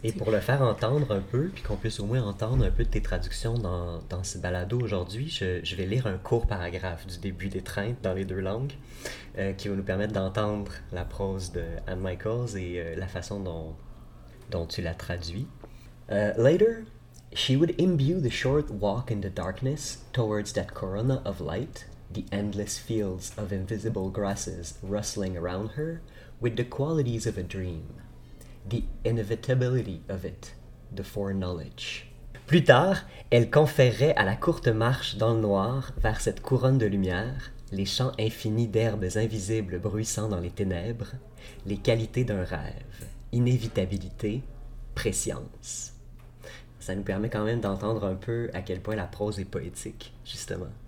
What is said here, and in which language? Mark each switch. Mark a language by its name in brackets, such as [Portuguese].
[French] Et t'sais, pour le faire entendre un peu, puis qu'on puisse au moins entendre un peu de tes traductions dans ce balado aujourd'hui, je vais lire un court paragraphe du début d'Étreinte dans les deux langues, qui va nous permettre d'entendre la prose de Anne Michaels et la façon dont tu la traduis. [English] Later, she would imbue the short walk in the darkness towards that corona of light, the endless fields of invisible grasses rustling around her, with the qualities of a dream, the inevitability of it, the foreknowledge. [French] Plus tard, elle conférerait à la courte marche dans le noir vers cette couronne de lumière, les champs infinis d'herbes invisibles bruissant dans les ténèbres, les qualités d'un rêve, inévitabilité, prescience. Ça nous permet quand même d'entendre un peu à quel point la prose est poétique, justement.